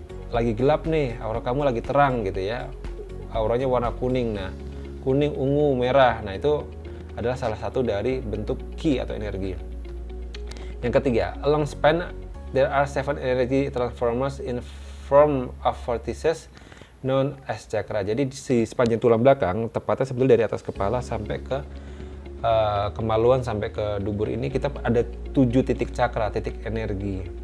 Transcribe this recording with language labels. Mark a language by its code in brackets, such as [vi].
[id] lagi gelap nih, aura kamu lagi terang gitu ya, auranya warna kuning, nah kuning, ungu, merah, nah itu adalah salah satu dari bentuk ki atau energi. Yang ketiga, [en] along span there are 7 energy transformers in form of vortices known as chakra. [id] Jadi si sepanjang tulang belakang, tepatnya sebetulnya dari atas kepala sampai ke kemaluan sampai ke dubur ini, kita ada 7 titik chakra, titik energi.